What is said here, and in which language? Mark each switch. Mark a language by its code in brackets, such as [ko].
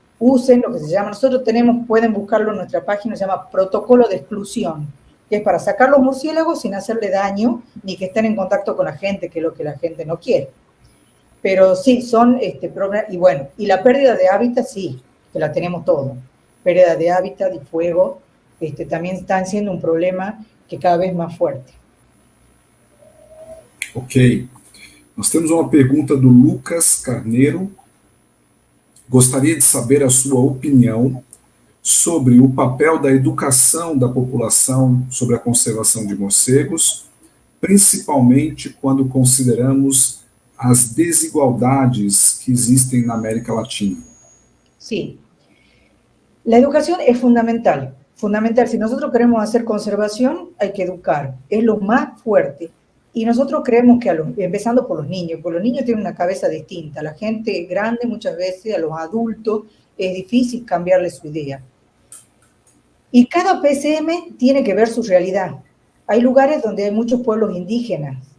[es] usen lo que se llama, nosotros tenemos, pueden buscarlo en nuestra página, se llama protocolo de exclusión, que es para sacar los murciélagos sin hacerle daño ni que estén en contacto con la gente, que es lo que la gente no quiere. Pero sí, son problemas, y bueno, y la pérdida de hábitat, sí, que la tenemos todo. Pérdida de hábitat y fuego también están siendo un problema que cada vez más fuerte. Ok. [pt] Nós temos uma pergunta do Lucas Carneiro. Gostaria de saber a sua opinião sobre o papel da educação da população sobre a conservação de morcegos, principalmente quando consideramos as desigualdades que existem na América Latina. Sim. A educação é fundamental. Fundamental. Se nós queremos fazer conservação, tem que educar. É o mais forte. [es] Y nosotros creemos que, empezando por los niños, porque los niños tienen una cabeza distinta, la gente grande muchas veces, a los adultos, es difícil cambiarle su idea. Y cada PCM tiene que ver su realidad. Hay lugares donde hay muchos pueblos indígenas.